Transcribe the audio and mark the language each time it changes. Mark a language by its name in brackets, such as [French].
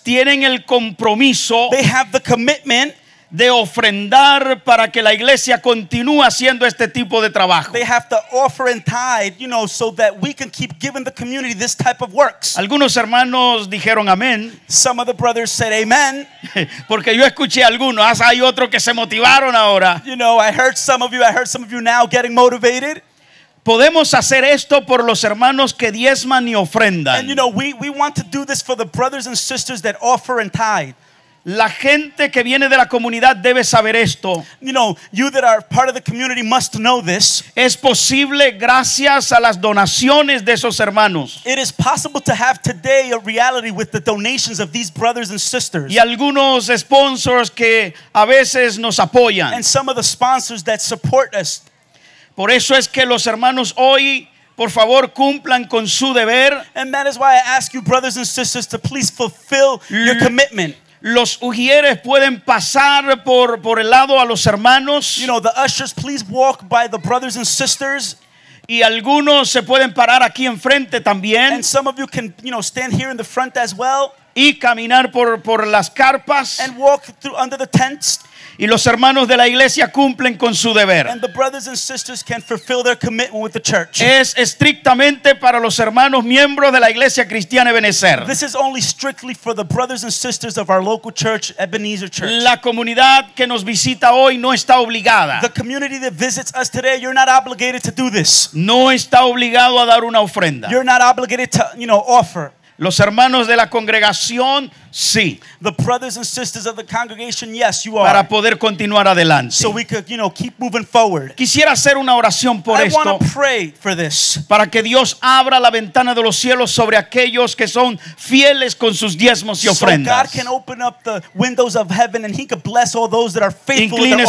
[Spanish] tienen el compromiso, [English] they have the commitment, [Spanish] de ofrendar para que la iglesia continúe haciendo este tipo de trabajo. [English] They have to offer and tithe, you know, so that we can keep giving the community this type of works. [Spanish] Algunos hermanos dijeron amén. [English] Some of the brothers said amen. [Spanish] Porque yo escuché a algunos, hay otros que se motivaron ahora. [English] You know, I heard some of you now getting motivated. [Spanish] Podemos hacer esto por los hermanos que diezman y ofrendan. [English] And you know, we want to do this for the brothers and sisters that offer and tithe. [Spanish] La gente que viene de la comunidad debe saber esto. [English] You know, you that are part of the community must know this. [Spanish] Es posible gracias a las donaciones de esos hermanos. [English] It is possible to have today a reality with the donations of these brothers and sisters. [Spanish] Y algunos sponsors que a veces nos apoyan. [English] And some of the sponsors that support us. [Spanish] Por eso es que los hermanos hoy, por favor, cumplan con su deber. [English] And that is why I ask you, brothers and sisters, to please fulfill your commitment. [Spanish] Los ujieres pueden pasar por el lado a los hermanos. [English] You know, the ushers, please walk by the brothers and sisters. [Spanish] Y algunos se pueden parar aquí enfrente también. [English] And some of you can, you know, stand here in the front as well. [Spanish] Y caminar por las carpas. [English] And walk through under the tents. [Spanish] Y los hermanos de la iglesia cumplen con su deber. [English] And the brothers and sisters can fulfill their commitment with the church. [Spanish] Es estrictamente para los hermanos miembros de la iglesia cristiana Ebenezer. [English] This is only strictly for the brothers and sisters of our local church, Ebenezer Church. [Spanish] La comunidad que nos visita hoy no está obligada. [English] The community that visits us today, you're not obligated to do this. [Spanish] No está obligado a dar una ofrenda. [English] You're not obligated to, you know, offer. [Spanish] Los hermanos de la congregación, sí. [English] The brothers and sisters of the congregation, yes, you are. [Spanish] Para poder continuar adelante. [English] So we could, you know, keep moving forward. [Spanish] Quisiera hacer una oración por esto. [English] I want to pray for this. [Spanish] Para que Dios abra la ventana de los cielos sobre aquellos que son fieles con sus diezmos y ofrendas. [English] So God can open up the windows of heaven and he can bless all those that are faithful with their offerings.